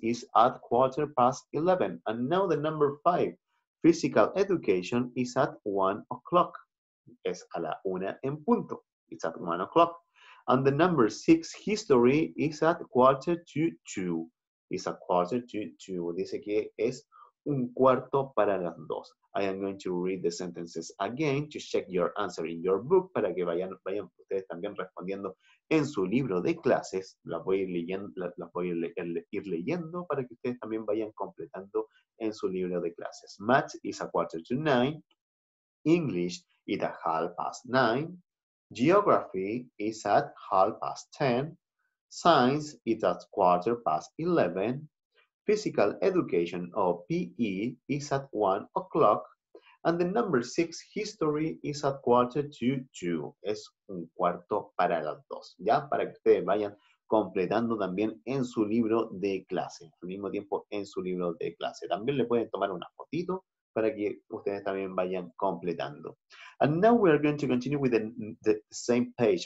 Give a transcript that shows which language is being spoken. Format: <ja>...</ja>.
<en>Is at quarter past 11. And now the number 5, physical education is at 1 o'clock.</en> <es>Es a la una en punto.</es> <en>It's at 1 o'clock. And the number 6, history is at quarter to 2. It's a quarter to 2.</en> <es>Dice que es un cuarto para las dos.</es> <en>I am going to read the sentences again to check your answer in your book</en> <es>para que vayan ustedes también respondiendo en su libro de clases. Las voy a ir leyendo para que ustedes también vayan completando en su libro de clases.</es> <en>Math is a quarter to 9. English is a half past 9. Geography is at half past 10. Science is at quarter past 11. Physical education, or PE, is at 1 o'clock. And the number 6, history, is at quarter to 2.</en> <es>Es un cuarto para las dos. Ya, para que ustedes vayan completando también en su libro de clase. Al mismo tiempo, en su libro de clase. También le pueden tomar una fotito para que ustedes también vayan completando.</es> <en>And now we are going to continue with the same page.</en>